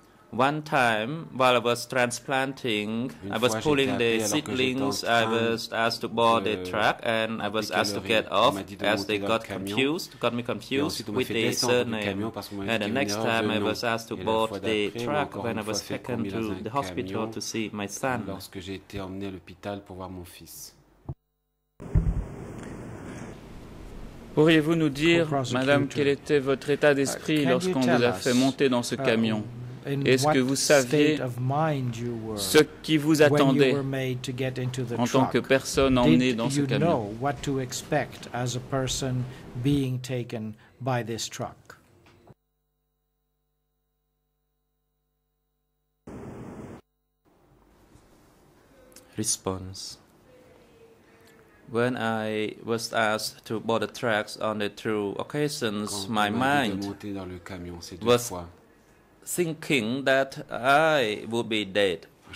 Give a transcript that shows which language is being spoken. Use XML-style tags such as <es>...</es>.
<en>One time, while I was transplanting, I was pulling the seedlings, I was asked to board the truck, and I was asked to get off, as they got me confused with the surname. And the next time, I was asked to board the truck, when I was taken to the hospital to see my son.</en> <fr>Lorsque j'ai été emmené à l'hôpital pour voir mon fils. Pourriez-vous nous dire, madame, quel était votre état d'esprit lorsqu'on vous a fait monter dans ce camion? Est-ce que vous saviez ce qui vous attendait en tant que personne emmenée dans ce camion?</fr> <en>Know what to expect as a person being taken by this truck? Response. When I was asked to board the tracks on the two occasions, my mind was thinking that I would be dead.</en>